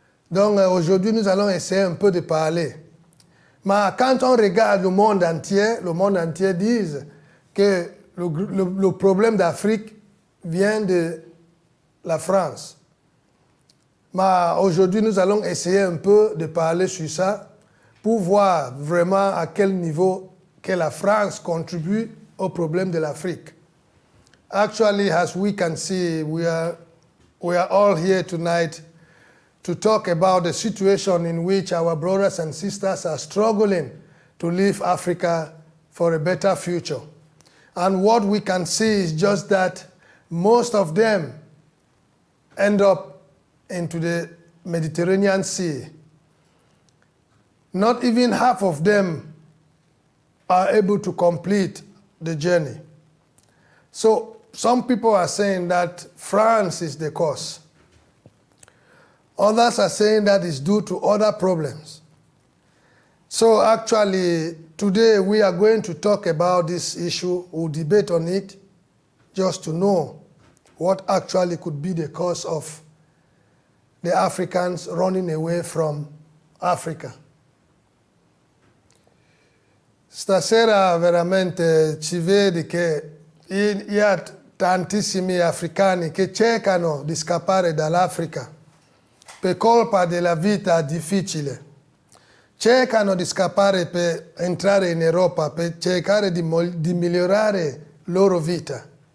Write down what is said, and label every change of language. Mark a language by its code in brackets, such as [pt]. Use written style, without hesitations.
[fr] Donc aujourd'hui, nous allons essayer un peu de parler. Mais quand on regarde le monde entier dit que le problème d'Afrique vient de la France. Mais aujourd'hui, nous allons essayer un peu de parler sur ça pour voir vraiment à quel niveau que la France contribue au problème de l'Afrique. [en] Actually, as we can see, we are all here tonight to talk about the situation in which our brothers and sisters are struggling to leave Africa for a better future. And what we can see is just that most of them end up into the Mediterranean Sea. Not even half of them are able to complete the journey. So some people are saying that France is the cause. Others are saying that it's due to other problems. So actually, today we are going to talk about this issue. We'll debate on it just to know what actually could be the cause of the Africans running away from Africa. [it] Stasera veramente ci vede che gli ha tantissimi africani che cercano di scappare dall'Africa per colpa della vita difficile. Cercano di scappare per entrare in Europa, per cercare di migliorare loro vita.